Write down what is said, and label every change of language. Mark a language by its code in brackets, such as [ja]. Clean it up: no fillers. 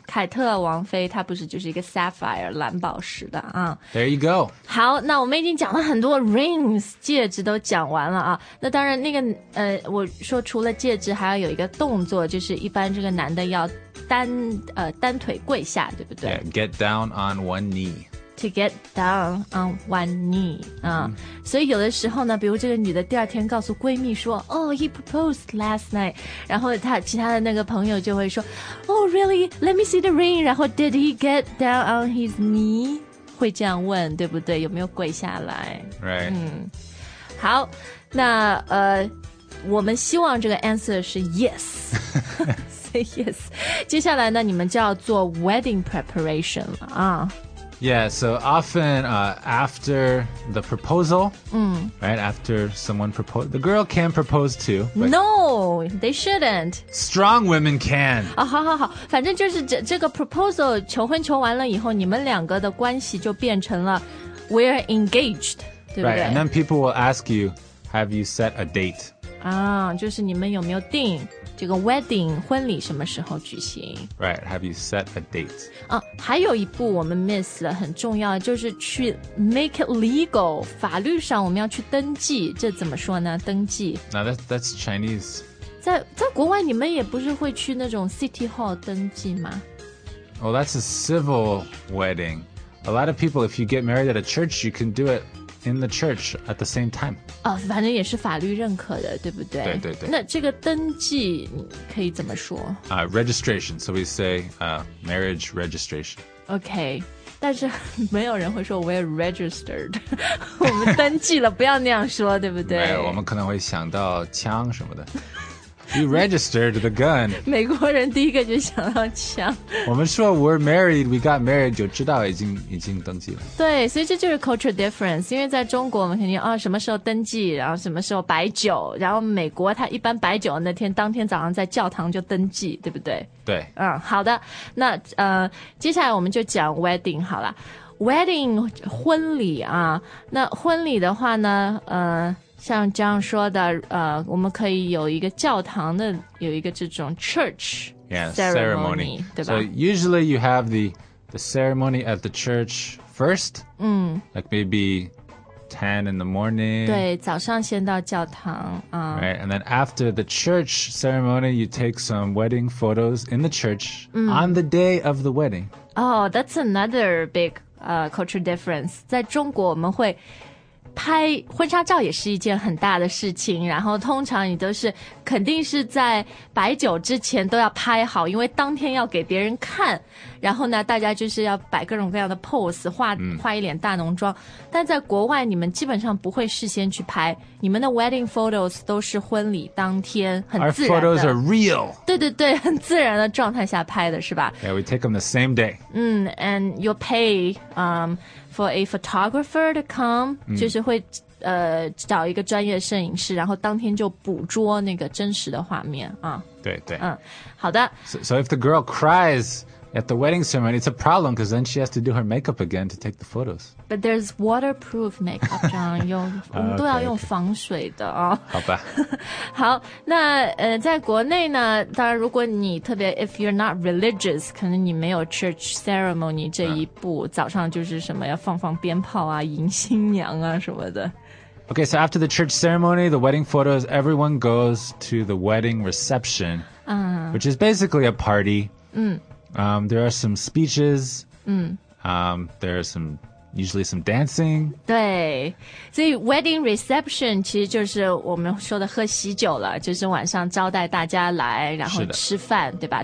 [zh] 凯特王妃她不是就是一个 sapphire, 蓝宝石的啊。 [en] There you go. [zh] 好那我们已经讲了很多 rings, 戒指都讲完了啊。那当然那个我说除了戒指还要有一个动作就是一般这个男的要单腿跪下对不对 [en] yeah, get down on one knee. To get down on one knee.、 [zh] 所以有的时候呢比如这个女的第二天告诉闺蜜说 [en] Oh, he proposed last night. [zh] 然后她其他的那个朋友就会说 [en] Oh, really? Let me see the ring. 然后 did he get down on his knee? [zh] 会这样问对不对有没有跪下来 [en] Right.、 [zh] 好那我们希望这个 answer 是 yes. [en] Say yes. [zh] 接下来呢你们就要做 wedding preparation 了啊。 [en] Yeah, so often after the proposal, right, after someone proposed, the girl can propose too. No, they shouldn't. Strong women can. [zh] 反正就是这个 proposal, 求婚求完了以后, 你们两个的关系就变成了 [en] we're engaged, [zh] 对不对? [en] Right, and then people will ask you, have you set a date? [zh] 就是你们有没有定 这个 wedding 婚礼什么时候举行 [en] Right, have you set a date? [zh] 还有一步我们 miss 了很重要 就是去 [en] make it legal [zh] 法律上我们要去登记 这怎么说呢? 登记 [en] Now that's Chinese [zh] 在国外你们也不是会去那种 city hall 登记吗? [en] Well, that's a civil wedding. A lot of people, if you get married at a church, you can do it in the church at the same time. [zh] 反正也是法律认可的,对不对? 对对对。那这个登记可以怎么说? [en] Registration, so we say marriage registration. [zh] Okay, 但是没有人会说 [en] we're registered. [zh] 我们登记了,不要那样说,对不对? 没有,我们可能会想到枪什么的。 [en] You registered the gun. [zh] 美国人第一个就想到枪。我们说 [en] we're married, we got married, [zh] 就知道已经登记了。对, 所以这就是 culture difference, 因为在中国我们肯定, 什么时候登记, 然后什么时候白酒, 然后美国他一般白酒那天, 当天早上在教堂就登记, 对不对? 对。好的, 那, 接下来我们就讲 wedding 好了。 Wedding, 婚礼, 那婚礼的话呢, 像这样说的, 我们可以有一个教堂的, 有一个这种 church [en] ceremony, yeah, ceremony. So usually you have the ceremony at the church first, like maybe 10 in the morning. [zh] 对, 早上先到教堂, [en] right, and then after the church ceremony, you take some wedding photos in the church on the day of the wedding. Oh, that's another big culture difference. [zh] 在中国我们会 拍婚纱照也是一件很大的事情，然后通常你都是肯定是在白酒之前都要拍好，因为当天要给别人看，然后呢，大家就是要摆各种各样的pose，化一脸大浓妆。但在国外，你们基本上不会事先去拍。你们的wedding photos都是婚礼当天很自然的。 [en] Our photos are real. [zh] 对对对，很自然的状态下拍的是吧？ [en] Yeah, we take them the same day. And you'll pay for a photographer to come, [zh] 就是会 找一个专业摄影师, 然后当天就捕捉那个真实的画面, 对对, 好的, [en] so if the girl cries at the wedding ceremony, it's a problem because then she has to do her makeup again to take the photos. But there's waterproof makeup, John. [zh] 我们都要用防水的, 好吧, 好, 那, 在国内呢, 当然如果你特别, [en] if you're not religious, [zh] 可能你没有 church ceremony 这一步, 早上就是什么, 要放放鞭炮啊, 迎新娘啊什么的。 [en] Okay, so after the church ceremony, the wedding photos, everyone goes to the wedding reception, which is basically a party. There are some speeches. There are some, usually some dancing. [zh] 对, 所以 wedding reception 其实就是我们说的喝喜酒了, 就是晚上招待大家来, 然后吃饭, 对吧?